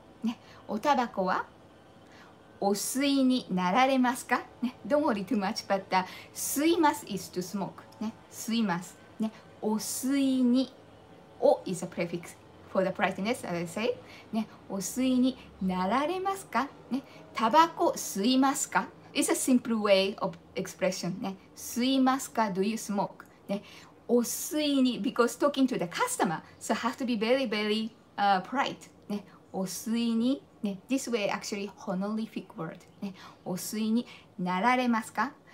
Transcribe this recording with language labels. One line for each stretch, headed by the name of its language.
Japanese: ね、おタバコはお吸いになられますか？
English: ね、don't worry too much, but the 吸います is to smoke. ね、吸います。ね、お吸いに、お is a prefix for the politeness, as I say.
Japanese: ね、お吸いになられますか？
English: ね、
Japanese: タバコ吸いますか？
English: It's a simple way of expression. ね、
Japanese: 吸いますか？
English: Do you smoke? ね、お吸いに、because talking to the customer, so have to be very, very polite. ね、お吸いに、ね、this way actually honorific word.
Japanese: ね、お吸いになられますか？